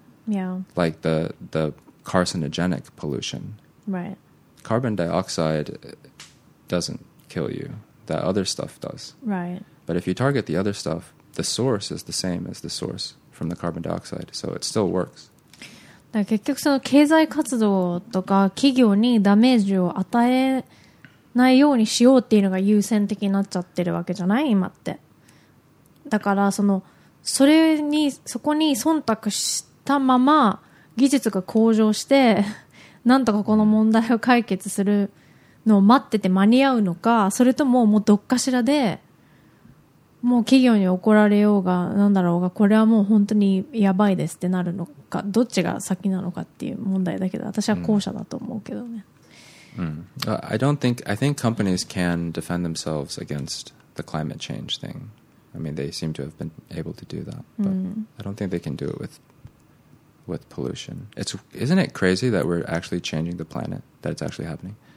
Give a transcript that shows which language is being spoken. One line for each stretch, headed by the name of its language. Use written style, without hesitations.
English: Yeah. Like the carcinogenic pollution. Right. Carbon dioxide doesn't kill you. That other stuff does. Right. But if you target the other stuff, the source is the same as the source from the carbon dioxide. So it still works.
Japanese: だから結局その経済活動とか企業にダメージを与えないようにしようっていうのが優先的になっちゃってるわけじゃない今って。だからその、それに、そこに忖度したまま技術が向上して、なんとかこの問題を解決するのを待ってて間に合うのか、それとももうどっかしらでもう企業に怒られようがなんだろうが、これはもう本当にやばいですってなるのか、どっちが先なのかっていう問題だけど、私は後者だと思うけどね。
English: I think companies can defend themselves against the climate change thing. I mean, they seem to have been able to do that, but I don't think they can do it with pollution. Isn't it crazy that we're actually changing the planet, that it's actually happening?